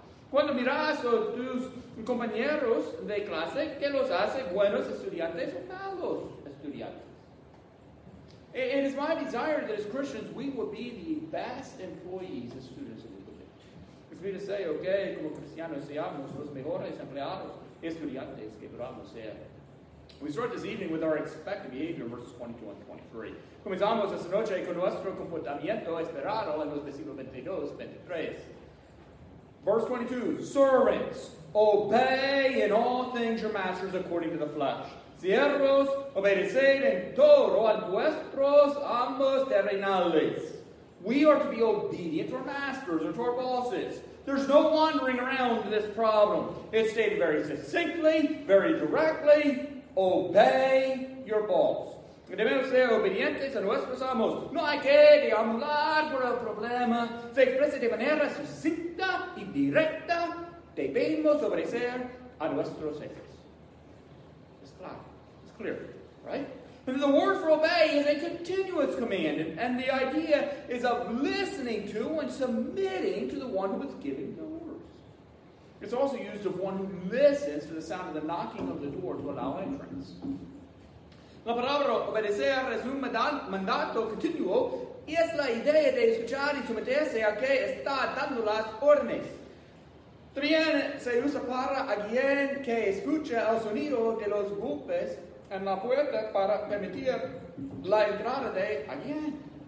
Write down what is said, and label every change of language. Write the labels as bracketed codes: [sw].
[es] Cuando miras a tus compañeros de clase, ¿qué los hace buenos estudiantes o malos estudiantes? [en] It is my desire that as Christians we will be the best employees as students of the world. It's me to say, okay, [es] como cristianos seamos los mejores empleados estudiantes que podamos ser. [en] We start this evening with our expected behavior, verses 22 and 23. [es] Comenzamos esta noche con nuestro comportamiento esperado en los versículos 22 y 23. [en] Verse 22, servants, Obey in all things your masters according to the flesh. [es] Siervos, obedeced en todo a vuestros amos terrenales. [en] We are to be obedient to our masters or to our bosses. There's no wandering around this problem. It's stated very succinctly, very directly. Obey your boss. [es] Debemos ser obedientes a nuestros amos. No hay que deambular por el problema. Se expresa de manera sucinta y directa. Debemos obedecer a nuestros jefes. [en] It's clear. It's clear, right? And the word for obey is a continuous command, and the idea is of listening to and submitting to the one who is giving the orders. It's also used of one who listens to the sound of the knocking of the door to allow entrance. [es] La palabra obedecer es un mandato continuo, y es la idea de escuchar y someterse a que está dando las órdenes. También se usa para alguien que escucha el sonido de los golpes en la puerta para permitir la entrada de alguien.